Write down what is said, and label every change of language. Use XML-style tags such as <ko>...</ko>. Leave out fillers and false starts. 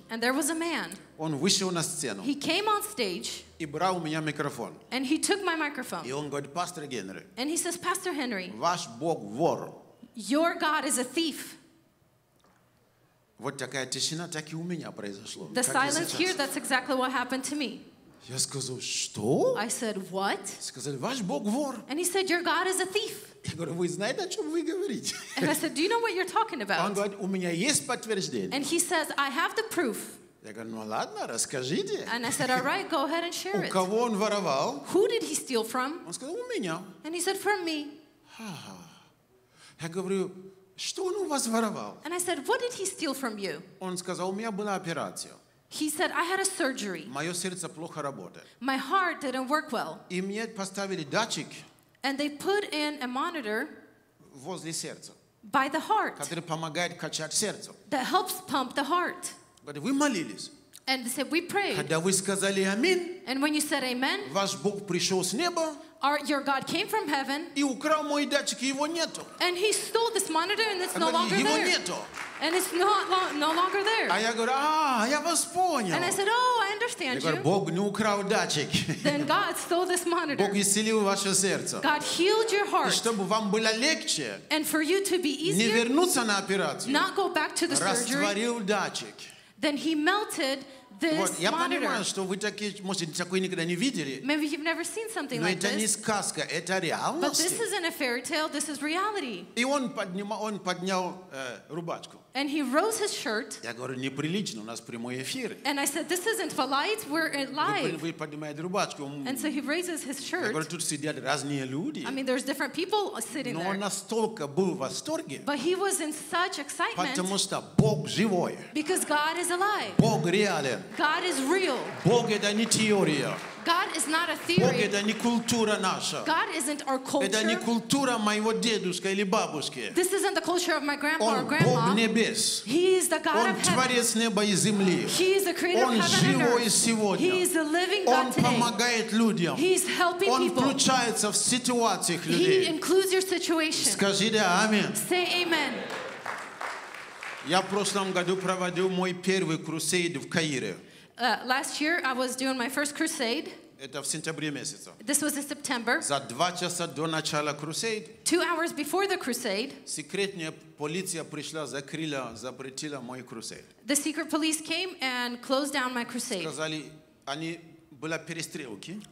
<en>And there was a man.</en> <ru>Он вышел на сцену.</ru> <en>He came on stage.</en> <ru>И брал у меня микрофон.</ru> <en>And he took my microphone.</en> <ru>И он говорит, Пастор Генри.</ru> <en>And he says, Pastor Henry.</en> <ru>Ваш Бог вор.</ru> <en>Your God is a thief.</en> <ru>Вот такая тишина, так и у меня произошло.</ru> <en>The silence here, that's exactly what happened to me.</en> <ru>Я сказал, что?</ru> <en>I said, what?</en> <ru>Сказали, ваш Бог вор.</ru> <en>And he said, your God is a thief.</en> <ru>Я говорю, вы знаете, о чем вы говорите?</ru> <en>And I said, do you know what you're talking about?</en> <ru>Он говорит, у меня есть подтверждение.</ru> <en>And he says, I have the proof.</en> <ru>Я говорю, ну ладно, расскажите.</ru> <en>And I said, all right, go ahead and share it.</en> <ru>У кого он воровал?</ru> <en>Who did he steal from?</en> <ru>Он сказал, у меня.</ru> <en>And he said, from me.</en> <ru>Я говорю, что он у вас воровал?</ru> <en>And I said, what did he steal from you?</en> <ru>Он сказал, у меня была операция.</ru> <en>He said, I had a surgery.</en> <ru>Мое сердце плохо работает.</ru> <en>My heart didn't work well.</en> <ru>И мне поставили датчик.</ru> <en>And they put in a monitor</en> <ru>возле сердца,</ru> <en>by the heart</en> <ru>который помогает качать сердце,</ru> <en>that helps pump the heart. But we</en> <ru>молились.</ru> <en>And they said, we prayed.</en> <ru>Когда вы сказали амин,</ru> <en>and when you said amen,</en> <ru>ваш Бог пришел с неба,</ru> <en>your God came from heaven,</en> <ru>и украл мой датчик, его нету.</ru> <en>And he stole this monitor and it's no longer there.</en> <ru>Его нету.</ru> <en>And it's not no longer there.</en> <ru>А я говорю, а, я вас понял.</ru> <en>And I said, oh, I understand</en> <ru>я говорю,</ru> <en>you.</en> <ru>Бог не украл датчик.</ru> <en>Then God stole this monitor.</en> <ru>Бог исцелил ваше сердце.</ru> <en>God healed your heart.</en> <ru>И чтобы вам было легче,</ru> <en>and for you to be easier,</en> <ru>не вернуться на операцию,</ru> <en>not go back to the</en> <ru>растворил растворил датчик.</ru> <en>Then he melted this</en> <ru>вот, я</ru> <en>monitor.</en> <ru>Понимаю, что вы такие, может, такое никогда не видели.</ru> <en>Maybe you've never seen something</en> <ru>но</ru> <en>like this.</en> <ru>Но это не сказка, это реальность.</ru> <en>But this isn't a fairy tale, this is reality.</en> <ru>И он поднял рубашку.</ru> <en>And he rose his shirt.</en> <ru>Я говорю, неприлично, у нас прямой эфир.</ru> <en>And I said, this isn't polite, we're live.</en> <ru>Вы поднимаете рубашку.</ru> <en>And so he raises his shirt.</en> <ru>Я говорю, тут сидят разные люди.</ru> <en>I mean, there's different people sitting</en> <ru>но</ru> <en>there.</en> <ru>Но он настолько был в восторге.</ru> <en>But he was in such excitement.</en> <ru>Потому что Бог живой.</ru> <en>Because God is alive.</en> <ru>Бог реален.</ru> <en>God is real.</en> <ru>Бог это не теория.</ru> <en>God is not a theory.</en> <ru>Бог — это не культура наша.</ru> <en>God isn't our culture.</en> <ru>Это не культура моего дедушки или бабушки.</ru> <en>This isn't the culture of my grandpa</en> <ru>Он</ru> <en>or grandma.</en> <ru>Бог небес.</ru> <en>He is the God</en> <ru>Он</ru> <en>of heaven.</en> <ru>Творец неба и земли.</ru> <en>He is the creator</en> <ru>Он</ru> <en>of heaven</en> <ru>живой</ru> <en>and earth.</en> <ru>Сегодня.</ru> <en>He is the living God today.</en> <ru>Помогает людям.</ru> <en>He is helping</en> <ru>Он</ru> <en>people.</en> <ru>Включается в ситуациях людей.</ru> <en>He includes your situation.</en> <ru>Скажи да, амин.</ru> <en>Say amen.</en> <ru>Я в прошлом году проводил мой первый крусейд в Каире.</ru> <en>Last year, I was doing my first crusade.</en> <ru>Это в сентябре месяце.</ru> <en>This was in September.</en> <ru>За 2 часа до начала крусейд.</ru> <en>2 hours before the crusade.</en> <ru>Секретная полиция пришла, закрыла, запретила мой крусейд.</ru> <en>The secret police came and closed down my crusade.</en> <ru>Сказали, они были перестрелки.</ru>